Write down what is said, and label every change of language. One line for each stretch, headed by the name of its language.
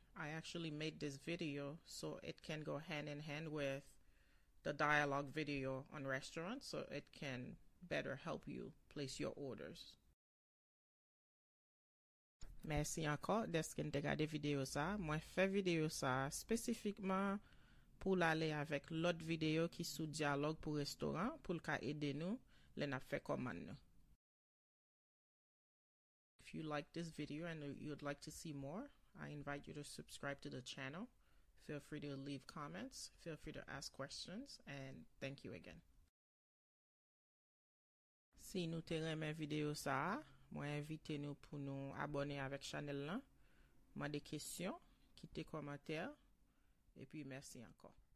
English: I actually made this video so it can go hand in hand with the dialogue video on restaurants, so it can better help you place your orders.
French: Merci encore d'être en train de regarder vidéo ça. Moi fais vidéo ça spécifiquement pour aller avec l'autre vidéo qui sous dialogue pour restaurant pour qu'a aider nous les n'a fait commande.
English: If you like this video and you'd like to see more, I invite you to subscribe to the channel. Feel free to leave comments, feel free to ask questions, and thank you again.
French: Si nous t'aimons mes vidéos ça, moi invite nous pour nous abonner avec channel là. M'a des questions, quittez commentaire et puis merci encore.